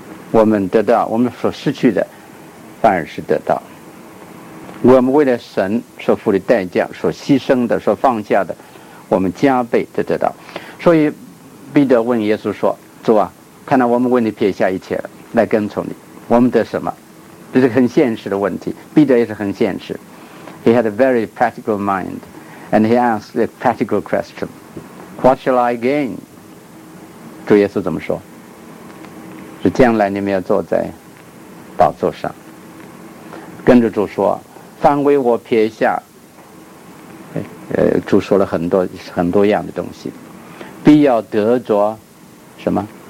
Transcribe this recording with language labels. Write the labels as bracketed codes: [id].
[zh] 我们得到，我们所失去的反而是得到。我们为了神所付的代价，所牺牲的，所放下的，我们加倍的得到。所以彼得问耶稣说，主啊，看来我们为你撇下一切了来跟从你，我们得什么？这是很现实的问题。彼得也是很现实， [en] He had a very practical mind and he asked a practical question, What shall I gain? [zh] 主耶稣怎么说？是将来你们要坐在宝座上，跟着主说，凡为我撇下，主说了很多很多样的东西，必要得着什么？